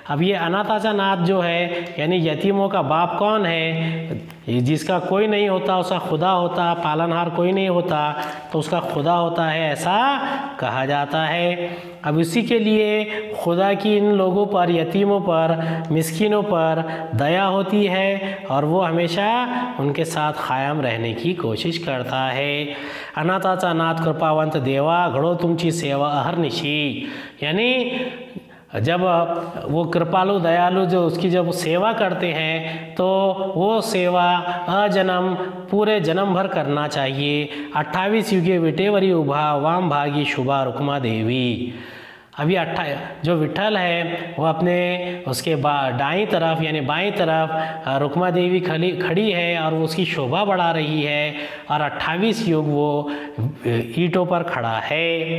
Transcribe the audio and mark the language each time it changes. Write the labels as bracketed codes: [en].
[hi] अब ये अनाथाचा नाथ जो है यानी यतीमों का बाप कौन है, जिसका कोई नहीं होता उसका खुदा होता, पालनहार कोई नहीं होता तो उसका खुदा होता है, ऐसा कहा जाता है। अब इसी के लिए खुदा की इन लोगों पर, यतीमों पर, मिस्कीनों पर दया होती है, और वो हमेशा उनके साथ कायम रहने की कोशिश करता है। [mr] अनाथाचा नाथ कृपावंत देवा, घड़ो तुमची सेवा अहर्निशी, यानी [hi] जब वो कृपालु दयालु जो उसकी जब सेवा करते हैं तो वो सेवा अजन्म पूरे जन्म भर करना चाहिए। [mr] 28 युगे विटेवरी उभा वाम भागी शुभा रुक्मा देवी। [hi] अभी जो विठल है वो अपने उसके दाईं तरफ यानी बाईं तरफ रुक्मा देवी खड़ी है और वो उसकी शोभा बढ़ा रही है और 28 युग वो ईंटों पर खड़ा है।